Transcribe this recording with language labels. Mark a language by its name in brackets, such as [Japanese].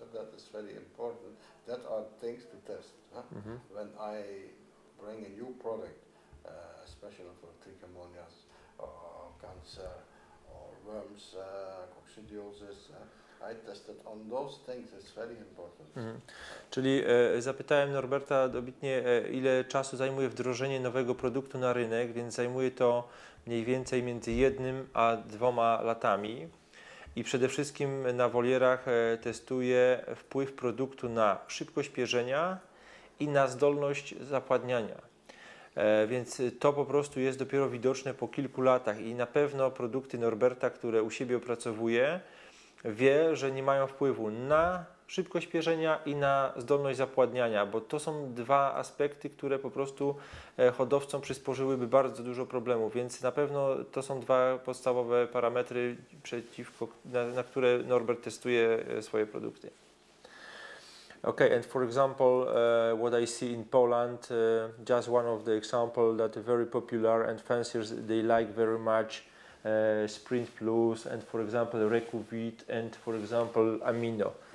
[English] So that is very important. That are things to test. Huh? When I bring a new product, especially for trichomonias, or cancer, or worms, coccidiosis, I tested on those things. It's very important. [Polish] Czyli zapytałem Norberta dobitnie, ile czasu zajmuje wdrożenie nowego produktu na rynek, więc zajmuje to mniej więcej między 1 a 2 latami. I przede wszystkim na wolierach testuje wpływ produktu na szybkość pierzenia i na zdolność zapładniania. Więc to po prostu jest dopiero widoczne po kilku latach i na pewno produkty Norberta, które u siebie opracowuje, wie, że nie mają wpływu na szybkość pierzenia i na zdolność zapładniania, bo to są dwa aspekty, które po prostu hodowcom przysporzyłyby bardzo dużo problemów, więc na pewno to są dwa podstawowe parametry, na które Norbert testuje swoje produkty. [English] Okay, and for example, what I see in Poland, just one of the example that very popular and fanciers, they like very much Sprint Plus and for example Rekuvit and for example Amino.